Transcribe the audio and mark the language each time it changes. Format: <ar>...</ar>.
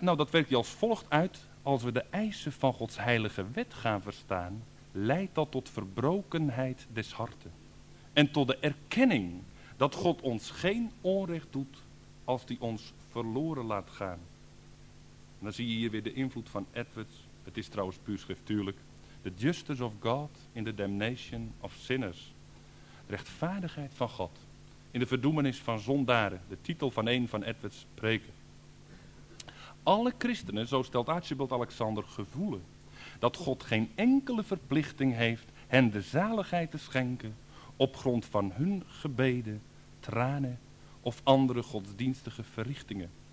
<nl>Nou, dat werkt hij als volgt uit. Als we de eisen van Gods heilige wet gaan verstaan, leidt dat tot verbrokenheid des harten. En tot de erkenning dat God ons geen onrecht doet als hij ons verloren laat gaan. En dan zie je hier weer de invloed van Edwards. Het is trouwens puur schriftuurlijk.</nl> <en>The justice of God in the damnation of sinners.</en> <nl>De rechtvaardigheid van God in de verdoemenis van zondaren. De titel van een van Edwards' preken. Alle christenen, zo stelt Archibald Alexander, gevoelen dat God geen enkele verplichting heeft hen de zaligheid te schenken op grond van hun gebeden, tranen of andere godsdienstige verrichtingen.</nl>